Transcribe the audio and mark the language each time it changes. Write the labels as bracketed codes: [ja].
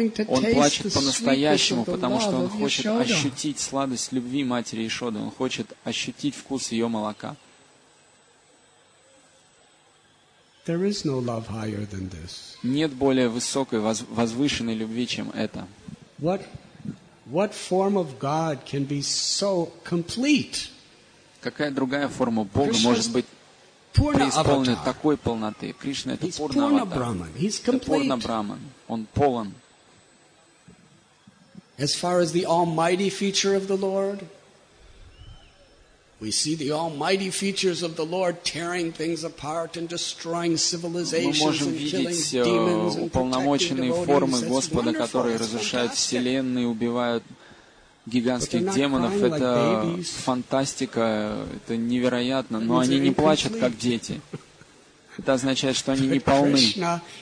[ru] Он плачет по-настоящему, потому что он хочет ощутить сладость любви матери Ишоды, он хочет ощутить вкус ее молока. [en] There is no love higher than this. [ru] Нет более высокой, возвышенной любви, чем это. [en] What form of God can be so complete? [ru] Какая другая форма Бога может быть преисполнена такой полноты? Кришна — это Пурна Браман. Он полон. [en] As far as the almighty feature of the Lord, we see the almighty features of the Lord tearing things apart and destroying civilizations and killing demons and protecting devotees. [ru] Мы можем видеть уполномоченные формы Господа, которые разрушают вселенные, убивают гигантских демонов. Это фантастика, это невероятно. Но они не плачут, как дети. Это означает, что они не полны.